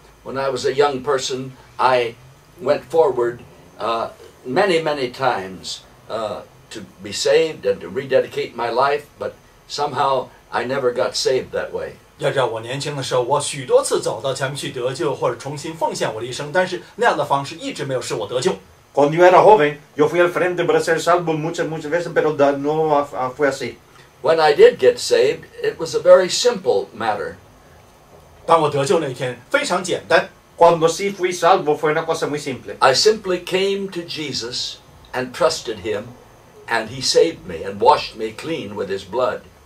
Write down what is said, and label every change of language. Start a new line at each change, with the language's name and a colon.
English: When I was a young person, I went forward many times to be saved and to rededicate my life, but somehow I never got saved that way.
Chinese: 要知道我年轻的时候，我许多次走到前面去得救，或者重新奉献我的一生，但是那样的方式一直没有使我得救。
Spanish: Cuando yo era joven, yo fui al frente para ser salvo muchas veces, pero no fue así.
English: When I did get saved, it was a very simple matter.
Chinese: 当我得救那一天，非常简单。
Spanish: Cuando sí fui salvo, fue una cosa muy simple.
English: I simply came to Jesus and trusted Him, and He saved me and washed me clean with His blood.